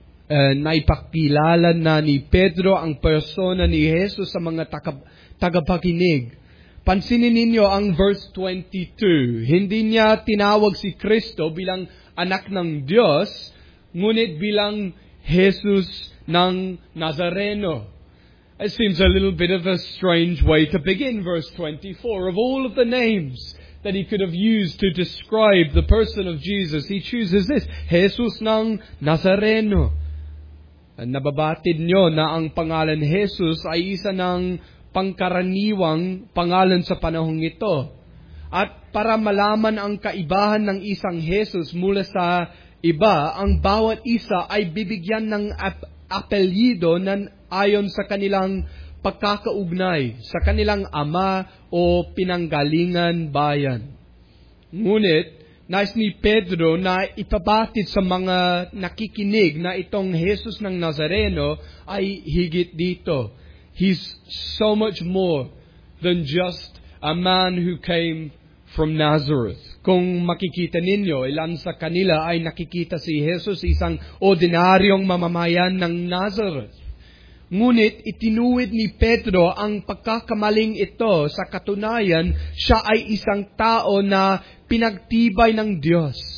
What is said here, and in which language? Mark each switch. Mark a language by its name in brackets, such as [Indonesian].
[Filipino] Naipakilala na ni Pedro ang persona ni Jesus sa mga tagapakinig. Pansinin ninyo ang verse 22. Hindi niya tinawag si Kristo bilang anak ng Diyos, ngunit bilang Jesus ng Nazareno. [English] It seems a little bit of a strange way to begin verse 24. Of all of the names that he could have used to describe the person of Jesus, he chooses this, [Filipino] Jesus ng Nazareno. Nababatid niyo na ang pangalan Jesus ay isa ng pangkaraniwang pangalan sa panahong ito. At para malaman ang kaibahan ng isang Jesus mula sa iba, ang bawat isa ay bibigyan ng apelyido nan ayon sa kanilang pagkakaugnay, sa kanilang ama o pinanggalingan bayan. Ngunit, nais ni Pedro na ipabatid sa mga nakikinig na itong Jesus ng Nazareno ay higit dito. [English] He's so much more than just a man who came from Nazareth. [Filipino] Kung makikita ninyo, ilan sa kanila ay nakikita si Jesus isang ordinaryong mamamayan ng Nazareth. Ngunit itinuwid ni Pedro ang pagkakamaling ito sa katunayan, siya ay isang tao na pinagtibay ng Diyos.